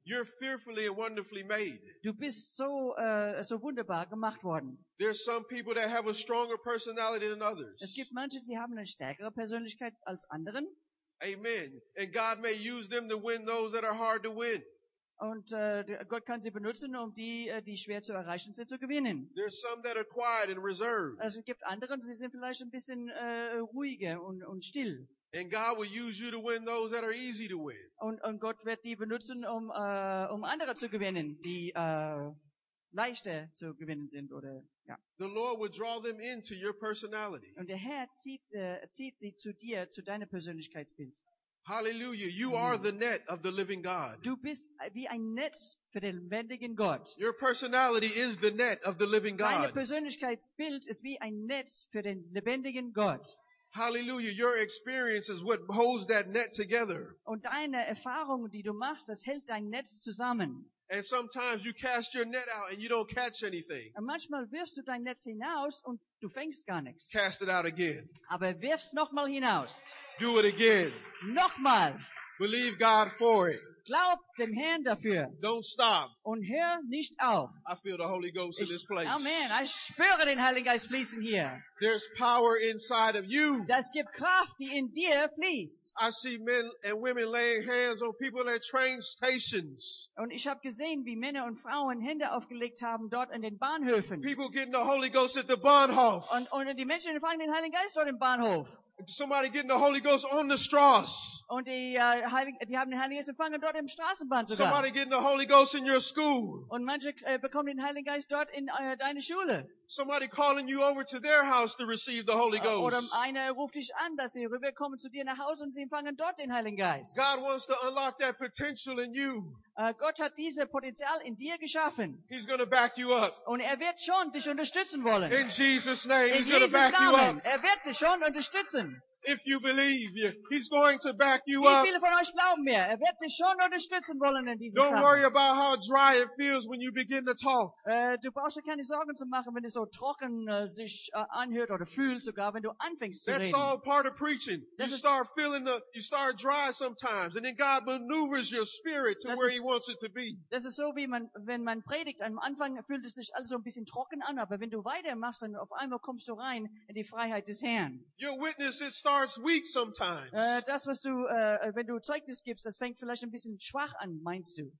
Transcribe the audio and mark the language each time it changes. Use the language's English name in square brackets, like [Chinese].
[English] You're fearfully and wonderfully made. [German] Du bist so so wunderbar gemacht worden. [English] There are some people that have a stronger personality than others. [German] Es gibt manche, die haben eine stärkere Persönlichkeit als anderen. [English] Amen. And God may use them to win those that are hard to win. [German] Und Gott kann sie benutzen, um die, die schwer zu erreichen sind, zu gewinnen. [English] There's some that are quiet and reserved. [German] Also, es gibt andere, sie sind vielleicht ein bisschen ruhiger und still. [English] And God will use you to win those that are easy to win. [German] Und Gott wird die benutzen, um andere zu gewinnen, die leichter zu gewinnen sind oder ja. [English] The Lord will draw them into your personality. [German] Und der Herr zieht sie zu dir, zu deinem Persönlichkeitsbild. [English] Hallelujah, you are the net of the living God. [German] Du bist wie ein Netz für den lebendigen Gott. [English] Your personality is the net of the living God. [German] Deine Persönlichkeitsbild ist wie ein Netz für den lebendigen Gott. [English] Hallelujah, your experience is what holds that net together. [German] Und deine Erfahrung, die du machst, das hält dein Netz zusammen. [English] And sometimes you cast your net out and you don't catch anything. [German] Und manchmal wirfst du dein Netz hinaus und du fängst gar nichts. [English] Cast it out again. [German] Aber wirf's nochmal hinaus. [English] Do it again. [German] Nochmal. [English] Believe God for it. [German] Glaub dem Herrn dafür. [English] Don't stop. [German] Und hör nicht auf. [English] I feel the Holy Ghost in this place. [German] Amen. Ich spüre den Heiligen Geist fließen hier. [English] There's power inside of you. [German] Das gibt Kraft, die in dir fließt. [English] I see men and women laying hands on people at train stations. [German] Und ich habe gesehen, wie Männer und Frauen Hände aufgelegt haben dort in den Bahnhöfen. [English] People getting the Holy Ghost at the Bahnhof. [German] Und die Menschen empfangen den Heiligen Geist dort im Bahnhof. [English] Somebody getting the Holy Ghost on the Strass. [German] Und die haben den Heiligen Geist empfangen dort im Straßenbahn sogar. [English] Somebody getting the Holy Ghost in your school. [German] Und manche bekommen den Heiligen Geist dort in deine Schule. [English] Somebody calling you over to their house to receive the Holy Ghost. [German] Oder einer ruft dich an, dass sie rüberkommen zu dir nach Hause und sie empfangen dort den Heiligen Geist. [English] God wants to unlock that potential in you. [German] Gott hat dieses Potenzial in dir geschaffen. [English] He's gonna back you up. [German] Und er wird schon dich unterstützen wollen. [English] In Jesus' name, in he's gonna back [German] Namen, [English] you up. [German] Er wird dich schon unterstützen. [English] If you believe, he's going to back you up. [German] Wie viele von euch glauben mir? Er wird dich schon unterstützen wollen in diesem Sachen. [English] Don't worry about how dry it feels when you begin to talk. [German] Du brauchst dir keine Sorgen zu machen, wenn es so trocken sich anhört oder fühlt, sogar wenn du anfängst zu reden. [English] That's all part of preaching. You start dry sometimes, and then God maneuvers your spirit to where he wants it to be. [German] Das ist so, wie wenn man predigt. Am Anfang fühlt es sich alles so ein bisschen trocken an, aber wenn du weitermachst, dann auf einmal kommst du rein in die Freiheit des Herrn. [English] Your witness is starts weak sometimes. [German] Das, was du, wenn du Zeugnis gibst, das fängt vielleicht ein bisschen schwach an, meinst du.